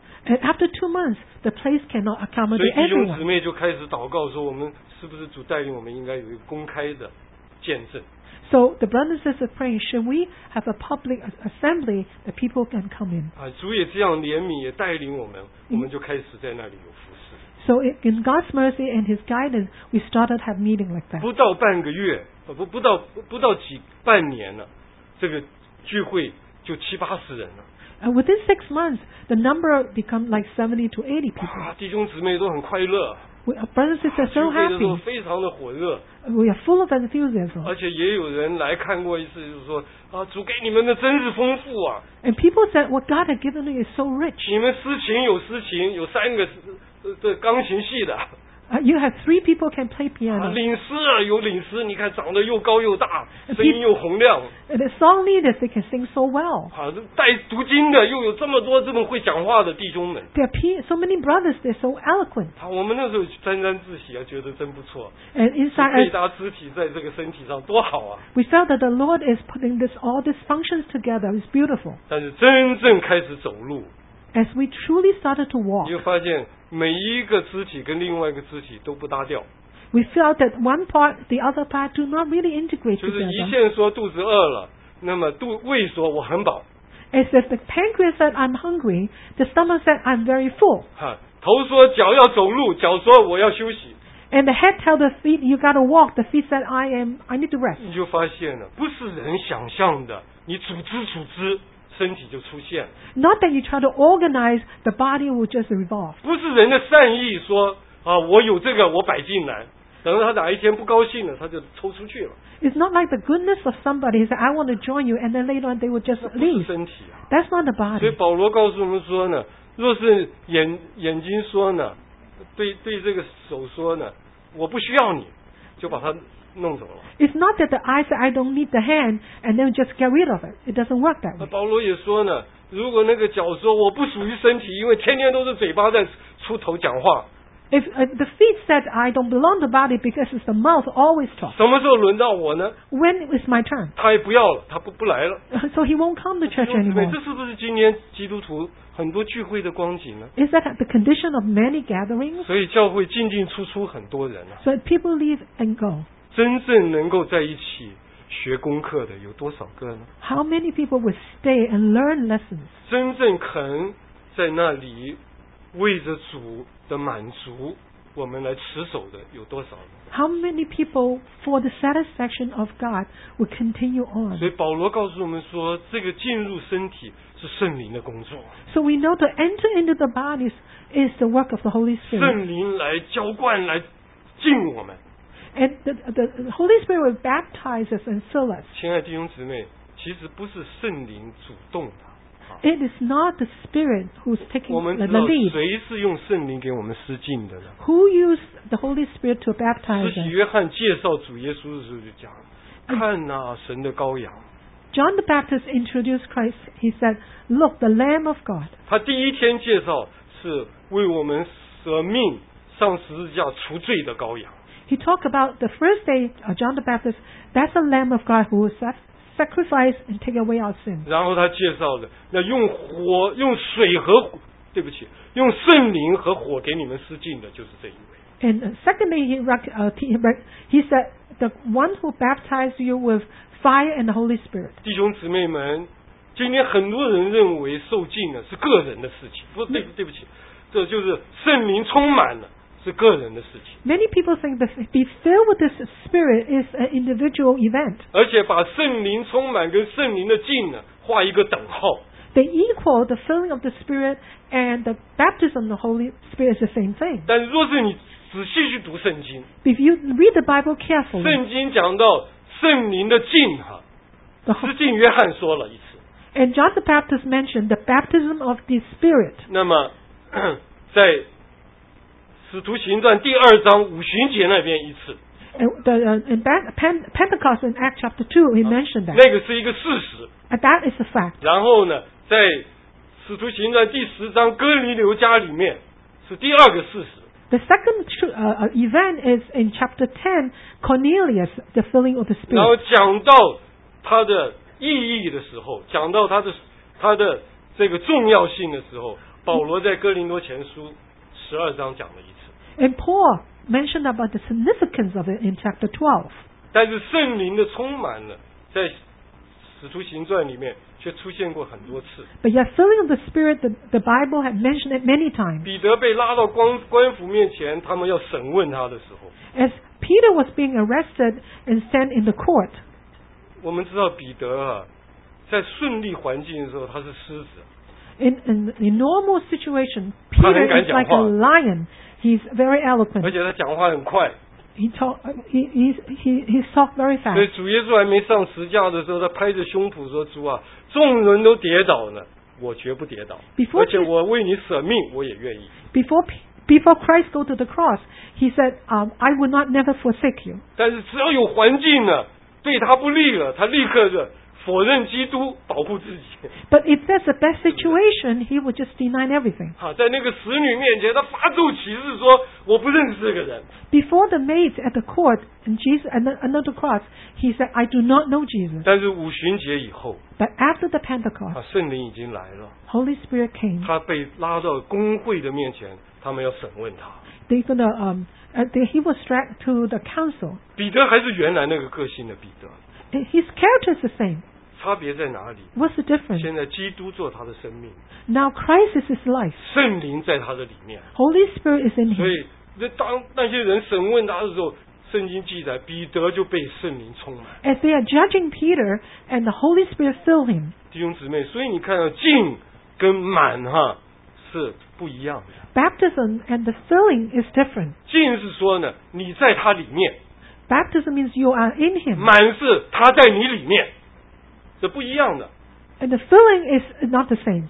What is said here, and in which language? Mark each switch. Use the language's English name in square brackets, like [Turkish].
[English] And after 2 months, the place cannot accommodate everyone. [Chinese] 所以弟兄姊妹就开始祷告说，我们是不是主带领我们应该有一个公开的见证。 [English] So the brothers and sisters are praying, should we have a public assembly that people can come in? [Chinese] 主也这样怜悯也带领我们，我们就开始在那里有服事。 [English] So in God's mercy and His guidance, we started to have meeting like that. [Chinese] 不到半个月，不到几半年了，这个聚会就七八十人了。 [English] Within 6 months, the number become like 70 to 80 people. [Chinese] 弟兄姊妹都很快乐。 [English] We are brothers and sisters so happy. [Chinese] 非常的火热。 [English] We are full of enthusiasm. [Chinese] 而且也有人来看过一次，就是说啊，主给你们的真是丰富啊。 [English] And people said, "What God has given you is so rich." [Chinese] 你们司琴有司琴，有三个的钢琴系的。 [English] You have three people can play piano. [Chinese] 领司啊，有领司，你看长得又高又大，声音又洪亮。 [English] And the song leaders, they can sing so well. [Chinese] 啊，带读经的又有这么多这么会讲话的弟兄们。 [English] There are so many brothers, they're so eloquent. [Chinese] 啊，我们那时候沾沾自喜啊，觉得真不错。 [English] And inside, [Chinese] 被搭肢体在这个身体上多好啊。 [English] We felt that the Lord is putting all these functions together. It's beautiful. [Chinese] 但是真正开始走路。 [English] As we truly started to walk, [Chinese] 你就发现每一个肢体跟另外一个肢体都不搭调。 [English] We felt that one part, the other part, do not really integrate together. [Chinese] 就是胰腺说肚子饿了，那么胃说我很饱。 [English] As if the pancreas said I'm hungry, the stomach said I'm very full. [Chinese] 头说脚要走路，脚说我要休息。 [English] And the head tells the feet, you got to walk. The feet said, I need to rest. [Chinese] 你就发现了，不是人想象的，你组织组织，身体就出现。 [English] Not that you try to organize, the body will just revolve. [Chinese] 不是人的善意说，啊，我有这个，我摆进来。等到他哪一天不高兴了，他就抽出去了。 [English] It's not like the goodness of somebody said, I want to join you, and then later on they will just leave. [Chinese] 那不是身体啊。 [English] That's not the body. [Chinese] 所以保罗告诉我们说呢，若是眼睛说呢，对这个手说呢，我不需要你，就把它弄走了。 [English] It's not that the eye said, I don't need the hand, and then just get rid of it. It doesn't work that way. [Chinese] 保罗也说呢，如果那个脚说我不属于身体，因为天天都是嘴巴在出头讲话。 [English] If the feet said I don't belong to the body because it's the mouth always talk. [Chinese] 什么时候轮到我呢？ [English] When is my turn? [Chinese] 他也不要了，他不来了。 [English] So he won't come to church anymore. [Chinese] 这是不是今天基督徒很多聚会的光景呢？ [English] Is that the condition of many gatherings? [Chinese] 所以教会进进出出很多人啊。 [English] So people leave and go. [Chinese] 真正能够在一起学功课的有多少个呢？ [English] How many people would stay and learn lessons? [Chinese] 真正肯在那里为着主的满足我们来持守的有多少呢？ [English] How many people for the satisfaction of God would continue on? [Chinese] 所以保罗告诉我们说，这个进入身体是圣灵的工作。 [English] So we know to enter into the bodies is the work of the Holy Spirit. [Chinese] 圣灵来浇灌来浸我们。 [English] And the Holy Spirit will baptize us and fill us. [Chinese] 亲爱弟兄姊妹，其实不是圣灵主动的。 [English] It is not the Spirit who's taking the lead. [Chinese] 我们知道谁是用圣灵给我们施浸的呢？ [English] Who used the Holy Spirit to baptize us? [Chinese] 使徒约翰介绍主耶稣的时候就讲，看啊，神的羔羊。 [English] John the Baptist introduced Christ. He said, "Look, the Lamb of God." [Chinese] 他第一天介绍是为我们舍命上十字架除罪的羔羊。 [English] He talked about the first day, John the Baptist. That's the Lamb of God who was left. Sacrifice and take away our sins. [Chinese] 然后他介绍的那用火用水和火对不起用圣灵和火给你们施浸的就是这一位。 [English] And secondly he said the one who baptized you with fire and the Holy Spirit. [Chinese] 弟兄姊妹们，今天很多人认为受浸呢是个人的事情，不对，对不起，这就是圣灵充满了是个人的事情。 [English] Many people think that be filled with the Spirit is an individual event. [Chinese] 而且把圣灵充满跟圣灵的浸呢画一个等号。 [English] They equal the filling of the Spirit and the baptism of the Holy Spirit is the same thing. [Chinese] 但若是你仔细去读圣经 [English] ，If you read the Bible carefully, [Chinese] 圣经讲到圣灵的浸哈，施浸约翰说了一次。 [English] And John the Baptist mentioned the baptism of the Spirit. [Chinese] 那么在使徒行传第二章五旬节那边一次 [English] Pentecost in Acts chapter 2 he mentioned that [Chinese] 那个是一个事实 [English] that is a fact [Chinese] 然后呢在使徒行传第十章哥尼流家里面是第二个事实 [English] the second event is in chapter 10 Cornelius the filling of the spirit [Chinese] 然后讲到他的意义的时候讲到他的这个重要性的时候保罗在哥林多前书十二章讲了一次 [English] ，and Paul mentioned about the significance of it in chapter 12. [Chinese] 但是圣灵的充满了，在使徒行传里面却出现过很多次。 [English] But yet, filling of the Spirit, the Bible had mentioned it many times. [Chinese] 彼得被拉到官府面前，他们要审问他的时候 [English] ，as Peter was being arrested and sent in the court. [Chinese] 我们知道彼得啊，在顺利环境的时候他是狮子。 [English] In a normal situation, Peter is like a lion. He's very eloquent. [Chinese] 而且他讲话很快。 [English] He talk very fast. [Chinese] 所以主耶稣还没上十字架的时候，他拍着胸脯说：“主啊，众人都跌倒了，我绝不跌倒。 [English] Before, [Chinese] 而且我为你舍命，我也愿意。 [English] ”Before Christ go to the cross, he said, "I will not never forsake you." [Chinese] 但是只要有环境呢，对他不利了，他立刻的。否认基督保护自己 [English] But if that's the best situation He would just deny everything [Chinese] 在那个使女面前他发怒起誓说我不认识这个人 [English] Before the maids at the court and Jesus, another cross He said I do not know Jesus [Chinese] 但是五旬节以后 [English] But after the Pentecost [Chinese] 圣灵已经来了 [English] Holy Spirit came [Chinese] 他被拉到公会的面前他们要审问他 [English] He was dragged to the council [Chinese] 彼得还是原来那个个性的彼得 [English] His character is the same. [Chinese] 差别在哪里 [English] What's the difference? [Chinese] 现在基督做他的生命 [English] Now Christ is his life. [Chinese] 圣灵在他的里面 [English] Holy Spirit is in him. [Chinese] 所以当那些人审问他的时候，圣经记载彼得就被圣灵充满。 [English] As they are judging Peter, and the Holy Spirit filled him. [Chinese] 弟兄姊妹，所以你看到浸跟满哈是不一样的。 [English] Baptism and the filling is different. [Chinese] 浸是说呢，你在他里面。 [English] Baptism means you are in him. [Chinese] 满是他在你里面，这不一样的。 [English] And the filling is not the same.